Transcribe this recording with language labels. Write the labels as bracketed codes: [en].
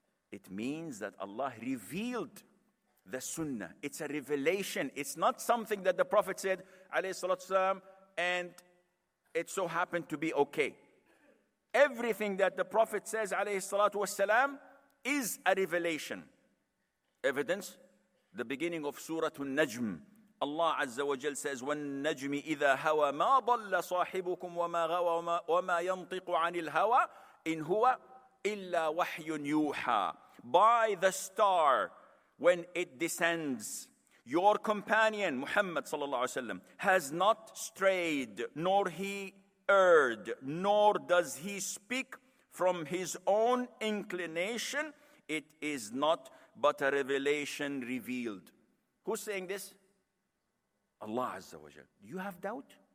[en] It means that Allah revealed the sunnah. It's a revelation. It's not something that the Prophet said alayhi salatu wasalam and it so happened to be okay. Everything that the Prophet says alayhi salatu wasalam is a revelation. Evidence, the beginning of Surah An-Najm. Allah Azza wa Jal says, [ar] وَالنَّجْمِ إِذَا هَوَى مَا ضَلَّ صَاحِبُكُمْ وَمَا غَوَى وَمَا يَنْطِقُ عَنِ الْهَوَى إِنْ هُوَ إِلَّا وَحْيٌ يُوحَى. [en] By the star, when it descends, your companion, Muhammad sallallahu alayhi wa sallam, has not strayed, nor he erred, nor does he speak from his own inclination. It is not but a revelation revealed. Who's saying this? Allah Azza wa Jal. Do you have doubt?